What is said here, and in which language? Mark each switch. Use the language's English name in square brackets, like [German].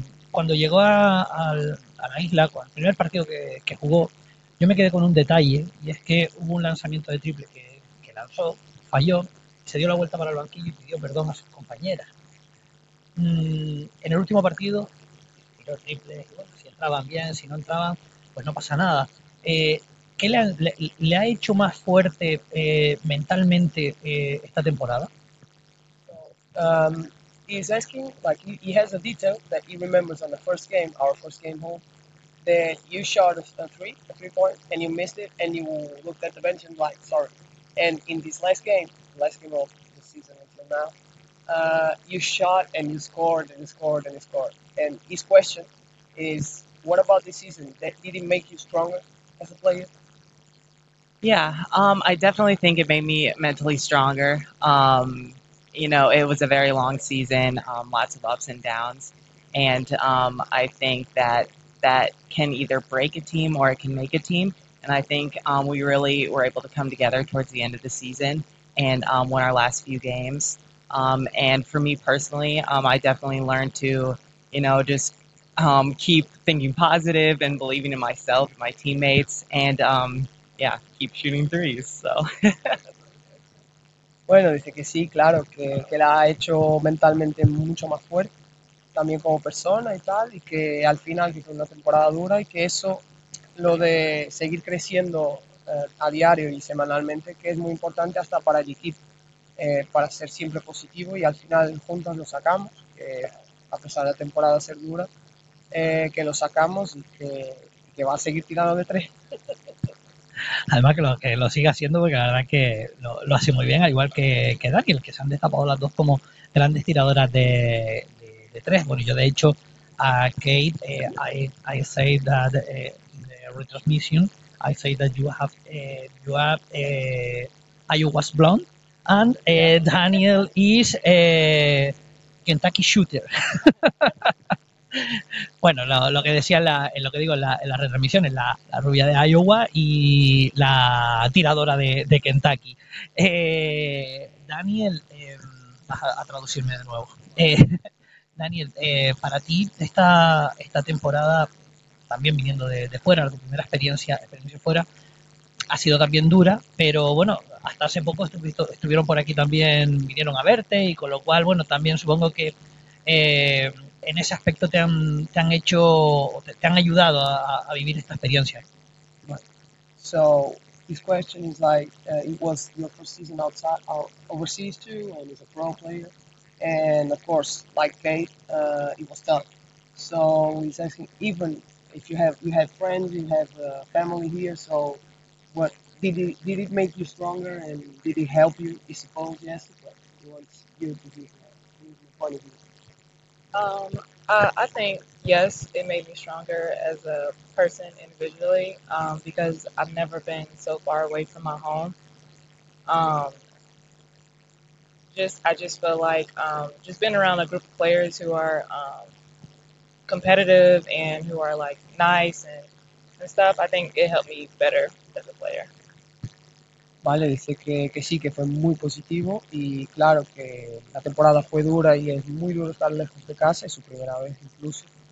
[Spanish] Cuando llegó a la isla, con el primer partido que jugó, yo me quedé con un detalle, y es que hubo un lanzamiento de triple que lanzó, falló, se dio la vuelta para el banquillo y pidió perdón a sus compañeras. En el último partido, tiró el triple, y bueno, si entraban bien, si no entraban, pues no pasa nada. ¿Qué le ha hecho más fuerte mentalmente esta temporada? [English] He's asking, like, he has a detail that he remembers on the first game, our first game home, that you shot a 3 point, and you missed it, and you looked at the bench and, like, sorry. And in this last game of the season until now, you shot and you scored and you scored and you scored. And his question is, what about this season that didn't make you stronger as a player? I definitely think it made me mentally stronger. It was a very long season, lots of ups and downs, and I think that can either break a team or it can make a team. And I think we really were able to come together towards the end of the season and win our last few games. And for me personally, I definitely learned to, just keep thinking positive and believing in myself and my teammates, and yeah, keep shooting threes, so. [Spanish] Bueno, dice que sí, claro, que la ha hecho mentalmente mucho más fuerte, también como persona y tal, y que al final, que fue una temporada dura, y que eso, lo de seguir creciendo a diario y semanalmente, que es muy importante hasta para el equipo, para ser siempre positivo, y al final juntos lo sacamos, a pesar de la temporada ser dura, que lo sacamos y que va a seguir tirando de tres. Además que lo siga haciendo, porque la verdad que lo hace muy bien, al igual que Daniel, que se han destapado las dos como grandes tiradoras de tres. Bueno, yo de hecho a Kate, [English] I say that in the retransmission, I say that I was blonde and Daniel is Kentucky shooter. [Spanish] Bueno, lo que decía lo que digo en la retransmisión, la rubia de Iowa y la tiradora de Kentucky. Daniel, vas a traducirme de nuevo. Daniel, para ti esta temporada, también viniendo de fuera, tu primera experiencia fuera, ha sido también dura, pero bueno, hasta hace poco estuvieron por aquí también, vinieron a verte, y con lo cual, bueno, también supongo que en ese aspecto te han ayudado a vivir esta experiencia. [English] So his question is like, it was your first season outside, overseas too, and he's a pro player. And of course, like Kate, it was tough. So he's asking, even if you have friends, you have family here. So, what did it make you stronger, and did it help you? I suppose yes, but he wants you to be here, point of view. I think yes, it made me stronger as a person individually, because I've never been so far away from my home. I just feel like just being around a group of players who are competitive and who are like nice and stuff, I think it helped me better as a player. [Spanish] Vale, dice que sí, que fue muy positivo y claro que la temporada fue dura y es muy duro estar lejos de casa, es su primera vez incluso.